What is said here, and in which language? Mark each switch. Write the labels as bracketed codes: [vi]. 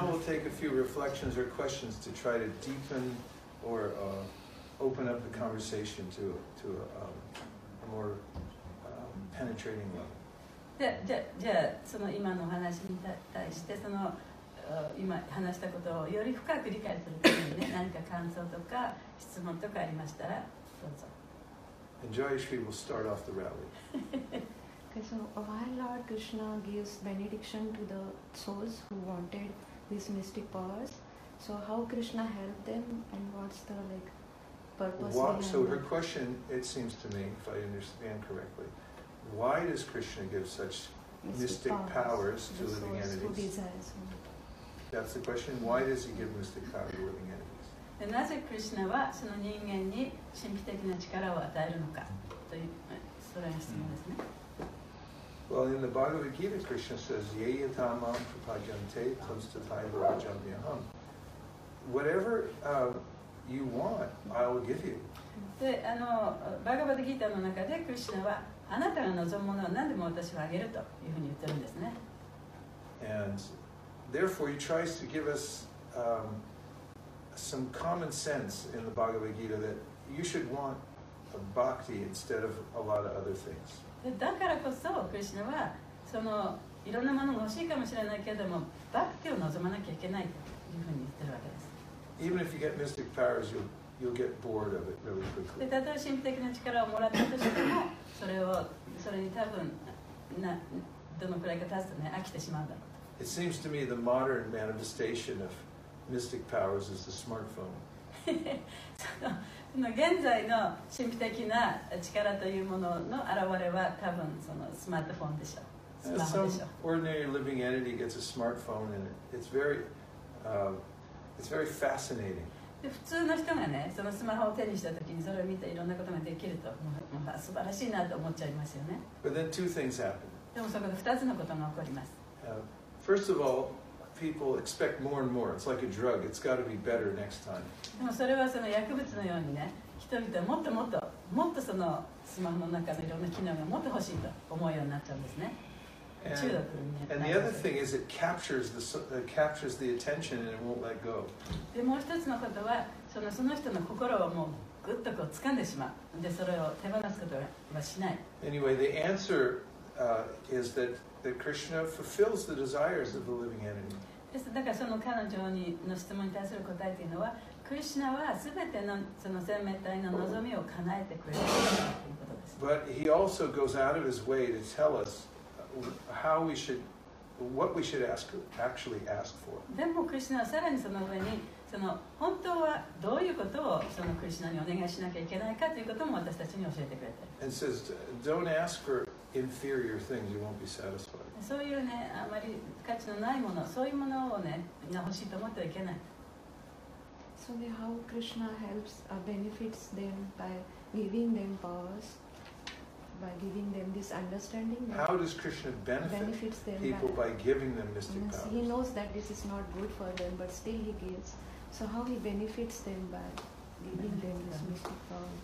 [en] So now we'll take a few reflections or questions to try to deepenOr open up the conversation to a more penetrating level. [ja] じゃあその今の話に対してその今話したことをより深く理解するためにね何か感想とか質問とかありましたらどうぞ。 [en] Jayashree will start off the rally. Okay, so while Lord Krishna gives benediction to the souls who wanted these mystic powers, so how Krishna helped them and what's the like purpose? Her question, it seems to me, if I understand correctly, why does Krishna give such mystic powers to living entities? That's the question. Why does he give mystic power to living entities? [ja] でなぜクリシュナはその人間に神秘的な力を与えるのかというそれが質問ですね。 [en] Well, in the Bhagavad Gita, Krishna says, [sa] "Yeyatamam prapajante tamstathaiva rajamyaham." [en] Whatever you want, I will give you. [ja] で、バガヴァッド・ギーターの中でクリシュナはあなたが望むものを何でも私はあげるというふうに言ってるんですね。 [en] And therefore, he tries to give us some common sense in the Bhagavad Gita that you should want a bhakti instead of a lot of other things. [ja] だからこそ、クリシュナはそのいろんなものが欲しいかもしれないけれども、バクティを望まなきゃいけないというふうに言ってるわけです。 [en] Even if you get mystic powers, you'll get bored of it really quickly. [ja] で、たとえ神秘的な力をもらったとしても、それに多分どのくらいか経つとね、飽きてしまうだろう。 [en] It seems to me the modern manifestation of mystic powers is the smartphone. [ja] その現在の神秘的な力というものの現れは多分そのスマートフォンでしょう。スマホでしょう。 [en] Some ordinary living entity gets a smartphone and it's very fascinating. [ja] で普通の人がね、そのスマホを手にした時にそれを見ていろんなことができると、素晴らしいなと思っちゃいますよね。 [en] But then two things happen. [ja] でもそこで2つのことが起こります。 [en] First of all,people expect more and more. It's like a drug. It's got to be better next time. [ja] でもそれはその薬物のようにね、人々はもっともっともっとそのスマホの中のいろんな機能がもっと欲しいと思うようになっちゃうんですね。中毒に。 [en] And the other thing is it captures the attention and it won't let go. [ja] でもう一つのことはその人の心をもうぐっとこう掴んでしまう。でそれを手放すことはしない。 [en] Anyway, the answer is that Krishna fulfills the desires of the living entity. [ja] です。だからその彼女にの質問に対する答えというのは、クリシュナはすべてのその生命体の望みを叶えてくれるということです。 [en] But he also goes out of his way to tell us how we should, what we should ask, actually ask for. [ja] でもクリシュナはさらにその上に、その本当はどういうことをそのクリシュナにお願いしなきゃいけないかということも私たちに教えてくれている。 [en] And says, don't ask for inferior things, you won't be satisfied. [ja] そういうね、あまり価値のないもの、そういうものをね、欲しいと思ってはいけない。 [en] So how Krishna helps or benefits them by giving them powers, by giving them this understanding. How does Krishna benefits them people by giving them mystic powers? He knows that this is not good for them, but still he gives. So how he benefits them by giving them this mystic power?